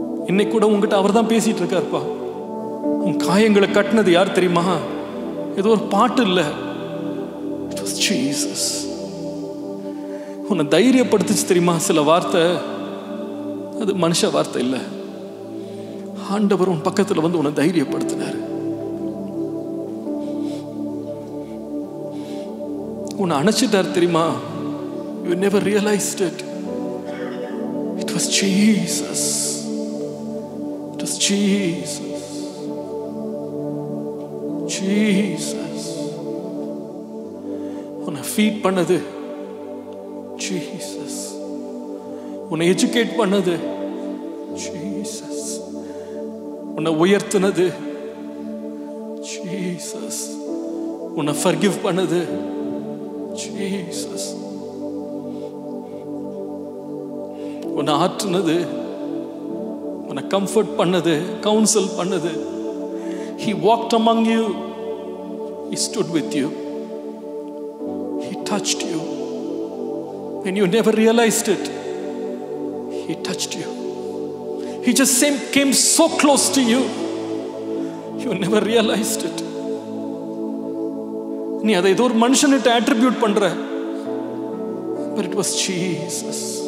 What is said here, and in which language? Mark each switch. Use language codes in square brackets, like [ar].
[ta] இன்னை கூட உங்ககிட்ட அவர் தான் பேசிட்டு இருக்காருப்பா. உன் காயங்களை கட்டினது யார் தெரியுமா, ஏதோ ஒரு பாட்டு இல்லை, [en] it was Jesus. [ta] உன்னை தைரியப்படுத்துச்சு தெரியுமா சில வார்த்தை, அது மனுஷ வார்த்தை இல்லை, ஆண்டவர் உன் பக்கத்தில் வந்து உன்னை தைரியப்படுத்தினார். உன்னை அணைச்சிட்டார் தெரியுமா, [en] you never realized it, it was Jesus, it was Jesus, Jesus. [ta] உன்னை ஃபீட் பண்ணது Jesus, உன்னை எஜுகேட் பண்ணது Jesus, உன்னை உயர்த்தினது Jesus, உன்னை ஃபர்கிவ் பண்ணது Jesus, உன்னை ஆற்றுனது, உன்னை கம்ஃபர்ட் பண்ணது, கவுன்சல் பண்ணது, [en] He walked among you, He stood with you, He touched you when you never realized it, He touched you, He just came so close to you, you never realized it. [ta] நீ அதை ஏதோ ஒரு மனுஷன்கிட்ட attribute பண்ற, [en] But it was Jesus.